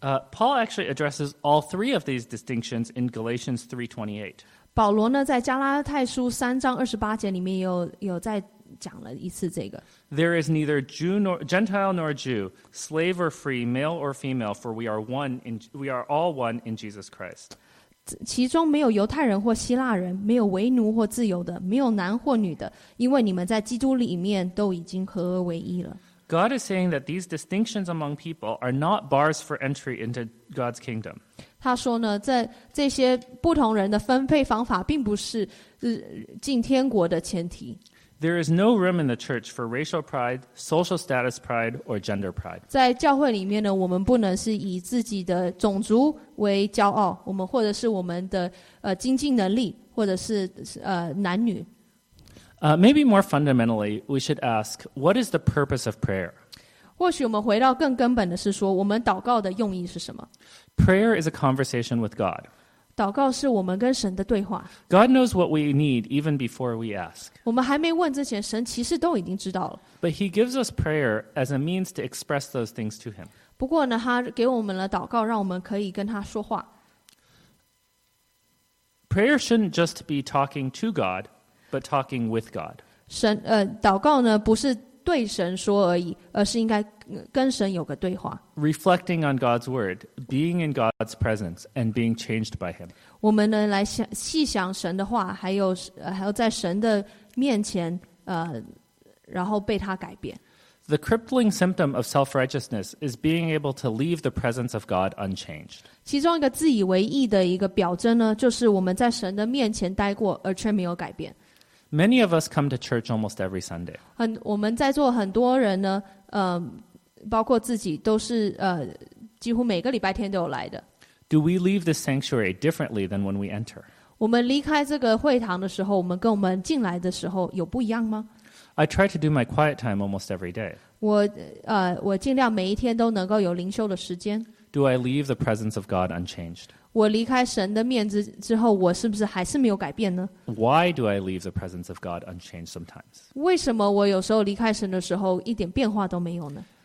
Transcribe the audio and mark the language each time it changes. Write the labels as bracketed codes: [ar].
[en] Paul actually addresses all three of these distinctions in Galatians 3:28. [zh] 保罗呢，在加拉太书三章二十八节里面有再讲了一次这个。 [en] There is neither Jew nor Gentile nor Jew, slave or free, male or female, for we are all one in Jesus Christ. [zh] 其中没有犹太人或希腊人，没有为奴或自由的，没有男或女的，因为你们在基督里面都已经合而为一了。 [en] God is saying that these distinctions among people are not bars for entry into God's kingdom. [zh] 他说呢，这些不同人的分配方法并不是进天国的前提。 [en] There is no room in the church for racial pride, social status pride, or gender pride. [zh] 在教会里面呢，我们不能是以自己的种族为骄傲，我们或者是我们的经济能力，或者是男女。 [en] Maybe more fundamentally, we should ask, what is the purpose of prayer? [zh] 或许我们回到更根本的是说，我们祷告的用意是什么？ [en] Prayer is a conversation with God. [zh] 祷告是我们跟神的对话。 [en] God knows what we need even before we ask. [zh] 我们还没问之前，神其实都已经知道了。 [en] But he gives us prayer as a means to express those things to him. [zh] 不过呢，他给我们了祷告，让我们可以跟他说话。 [en] Prayer shouldn't just be talking to God,but talking with God. [zh] 神祷告呢不是对神说而已，而是应该跟神有个对话。 [en] Reflecting on God's word, being in God's presence and being changed by him. [zh] 我们呢来细想神的话，还有在神的面前然后被他改变。 [en] The crippling symptom of self-righteousness is being able to leave the presence of God unchanged. [zh] 其中一个自以为意的一个表征呢，就是我们在神的面前待过而却没有改变。 [en] Many of us come to church almost every Sunday. [zh] 我们在座很多人呢，包括自己，都是几乎每个礼拜天都有来的。 [en] Do we leave the sanctuary differently than when we enter? [zh] 我们离开这个会堂的时候，我们跟我们进来的时候有不一样吗？ [en] I try to do my quiet time almost every day. [zh] 我尽量每一天都能够有灵修的时间。 [en] Do I leave the presence of God unchanged? [zh] 我离开神的面子之后，我是不是还是没有改变呢？ [en] Why do I leave the presence of God unchanged sometimes? [zh] 为什么我有时候离开神的时候一点变化都没有呢？